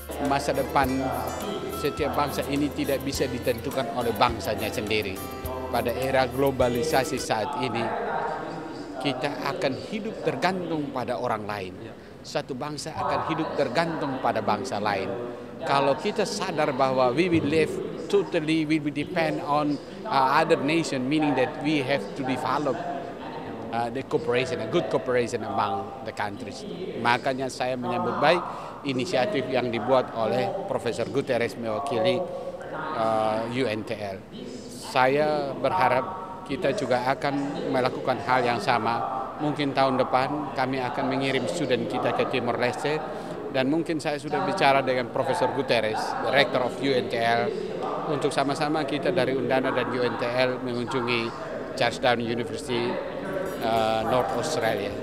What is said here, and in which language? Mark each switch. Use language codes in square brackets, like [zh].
[id] Masa depan setiap bangsa ini tidak bisa ditentukan oleh bangsanya sendiri. Pada era globalisasi saat ini, kita akan hidup tergantung pada orang lain. Satu bangsa akan hidup tergantung pada bangsa lain. Kalau kita sadar bahwa [en] we will live totally, we will depend on other nation, meaning that we have to develop the cooperation, a good cooperation among the countries. [id] Makanya saya menyambut baik inisiatif yang dibuat oleh Profesor Guterres mewakili UNTL. Saya berharap kita juga akan melakukan hal yang sama. Mungkin tahun depan kami akan mengirim student kita ke Timor Leste, dan mungkin saya sudah bicara dengan Profesor Guterres, [en] Director of UNTL, [id] untuk sama-sama kita dari Undana dan UNTL mengunjungi Charlestown University North Australia.